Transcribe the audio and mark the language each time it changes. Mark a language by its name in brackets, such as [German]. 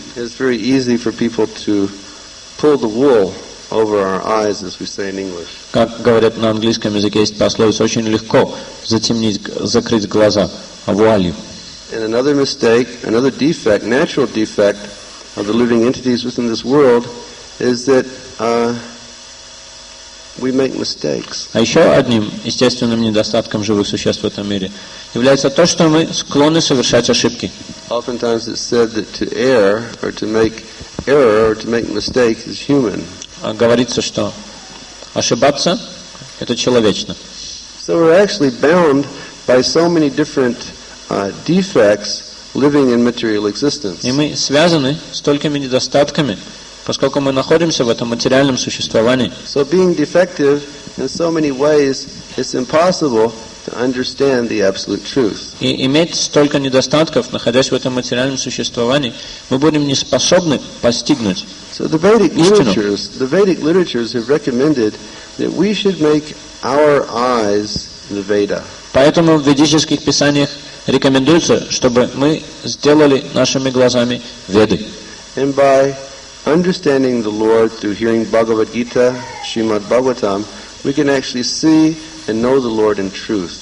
[English] It's very easy for people to pull the wool over our eyes, as we say in English. [Russian] Как говорят на английском языке, есть пословица: очень легко закрыть глаза вуалью. [English] And another mistake, another defect, natural defect of the living entities within this world is that we make mistakes. [Russian] А еще одним естественным недостатком живых существ в этом мире является то, что мы склонны совершать ошибки. [English] Oftentimes it's said that to err or to make error or to make mistake is human. [Russian] Говорится, что ошибаться – это человечно. [English] So we're actually bound by so many different defects living in material existence. [Russian] И мы связаны столькими недостатками, поскольку мы находимся в этом материальном существовании. [English] So being defective in so many ways, it's impossible to understand the absolute truth. [Russian] И иметь столько недостатков, находясь в этом материальном существовании, мы будем не способны постигнуть истину. [English] So the Vedic literatures have recommended that we should make our eyes the Veda. [Russian] Поэтому в ведических писаниях рекомендуется, чтобы мы сделали нашими глазами Веды. [English] And by understanding the Lord through hearing Bhagavad Gita, Srimad Bhagavatam, we can actually see and know the Lord in truth.